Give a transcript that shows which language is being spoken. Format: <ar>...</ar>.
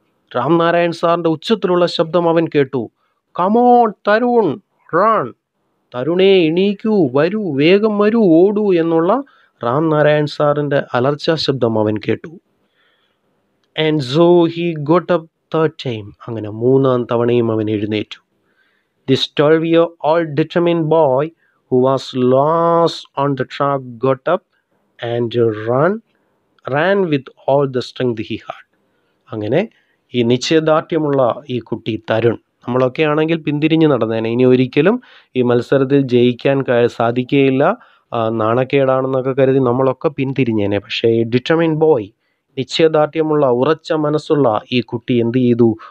<ml>റാം നാരായൺ സാറിൻ്റെ ഉച്ചത്തിലുള്ള ശബ്ദം അവൻ കേട്ടു.</ml> <en>come on Tarun run,</en> <ml>തരുണേ എണീക്കൂ, വരൂ, വേഗം വരൂ, ഓടൂ എന്നുള്ള റാം നാരായൺ സാറിൻ്റെ അലർച്ചാ ശബ്ദം അവൻ കേട്ടു.</ml> <en>and so he got up third time,</en> <ml>അങ്ങനെ മൂന്നാം തവണയും അവൻ എഴുന്നേറ്റു.</ml> <en>This 12 year old determined boy who was lost on the track got up and ran with all the strength he had.</en> <ml>അങ്ങനെ ഈ നിശ്ചയദാർഢ്യമുള്ള ഈ കുട്ടി തരുൺ, നമ്മളൊക്കെ ആണെങ്കിൽ പിന്തിരിഞ്ഞു നടന്നേനെ, ഇനി ഒരിക്കലും ഈ മത്സരത്തിൽ ജയിക്കാൻ സാധിക്കുകയില്ല, നാണക്കേടാണെന്നൊക്കെ കരുതി നമ്മളൊക്കെ പിന്തിരിഞ്ഞേനെ. പക്ഷേ ഡിറ്റർമിൻഡ് ബോയ്, നിശ്ചയദാർഢ്യമുള്ള ഉറച്ച മനസ്സുള്ള ഈ കുട്ടി എന്ത് ചെയ്തു?</ml>